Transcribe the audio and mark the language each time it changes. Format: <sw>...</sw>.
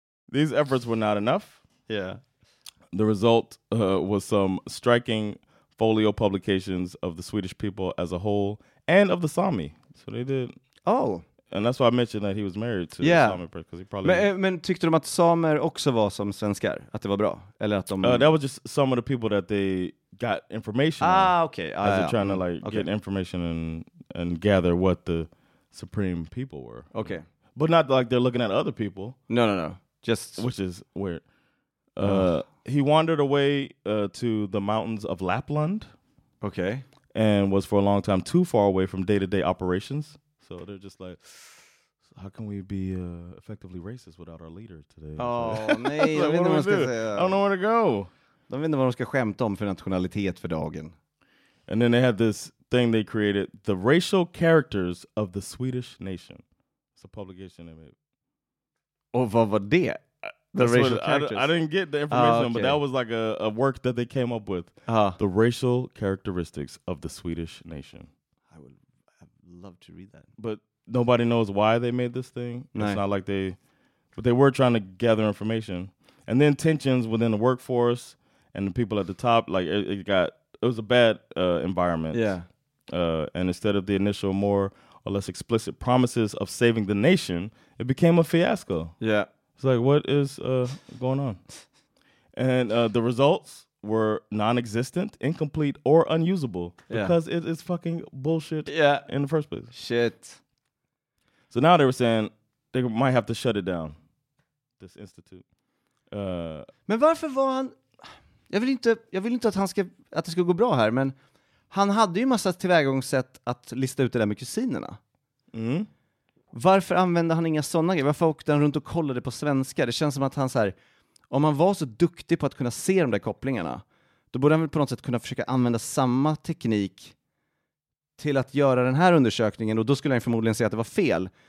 <en>These efforts were not enough. Yeah. The result was some striking folio publications of the Swedish people as a whole and of the Sami. So they did. Oh. And that's why I mentioned that he was married to the Sami person, because he probably...</en> <sv>Men tyckte de att samer också var som svenskar? Att det var bra? Eller att de...</sv> <en>That was just some of the people that they got information on. Ah, okay. As they're trying to like get information and gather what the supreme people were. Okay. But not like they're looking at other people. No. Just... Which is weird. He wandered away to the mountains of Lapland. Okay. And was for a long time too far away from day-to-day operations. So they're just like, how can we be effectively racist without our leader today? Oh, nej. Like, what do we do? I don't know where to go.</en> <sv>De vet inte vad de ska skämta om för nationalitet för dagen.</sv> <en>And then they had this thing they created, The Racial Characters of the Swedish Nation. It's a publication they made.</en> <sv>Och vad var det?</sv> <en>I didn't get the information, but that was like a work that they came up with. The Racial Characteristics of the Swedish Nation. Love to read that, but nobody knows why they made this thing. Nej. It's not like they, but they were trying to gather information, and then tensions within the workforce and the people at the top, like it was a bad environment. Yeah. And instead of the initial more or less explicit promises of saving the nation, it became a fiasco. Yeah. It's like, what is going on? And the results were non-existent, incomplete, or unusable because it is fucking bullshit in the first place. Shit. So now they were saying they might have to shut it down, this institute.</en> <sv>Men varför var han Jag vill inte att han ska, att det ska gå bra här, men han hade ju massa tillvägagångssätt att lista ut det där med kusinerna. Mm. Varför använde han inga sådana grejer? Varför åkte han runt och kollade på svenska? Det känns som att han så här, om han var så duktig på att kunna se de där kopplingarna, då borde han väl på något sätt kunna försöka använda samma teknik till att göra den här undersökningen, och då skulle han förmodligen säga att det var fel.</sv>